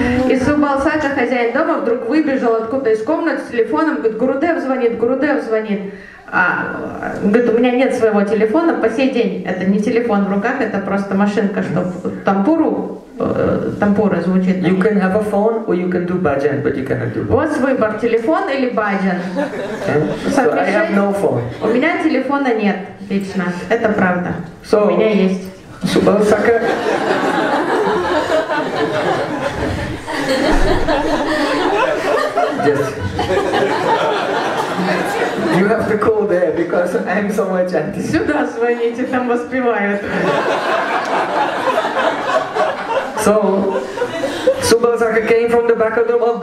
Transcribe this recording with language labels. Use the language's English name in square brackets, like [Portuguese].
[Russian] И Субал Сакха, хозяин дома, вдруг выбежал откуда из комнаты с телефоном, говорит, Гурудев звонит. Говорит, у меня нет своего телефона по сей день. Это не телефон в руках, это просто машинка, чтобы тампура звучит. [English] You can have a phone or you can do bhajan, but you cannot do both. [Russian] Вот выбор, телефон или bhajan. [English] So I have no phone. [Russian] У меня телефона нет лично, это правда. [English] So, [Russian] у меня есть. [English] Subal Sakha. You have to call there because I'm so much anti. [Russian] Сюда звоните, там воспевают. [English] So, Subal Sakha came from the back of the room.